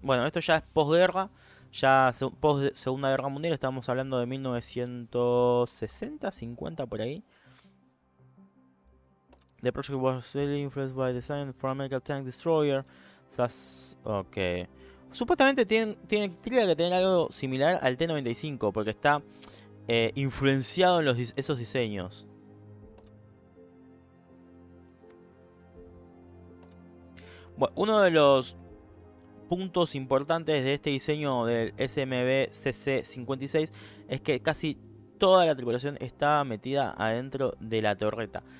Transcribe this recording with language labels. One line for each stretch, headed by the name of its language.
Spanish: Bueno, esto ya es posguerra. Ya post-segunda guerra mundial. Estamos hablando de 1960, 50 por ahí.
English: The project was influenced by design for American Tank Destroyer. Ok.
Spanish: Supuestamente tiene que tener algo similar al T-95. Porque está influenciado en esos diseños. Bueno, uno de los puntos importantes de este diseño del SMB CC56 es que casi toda la tripulación está metida adentro de la torreta.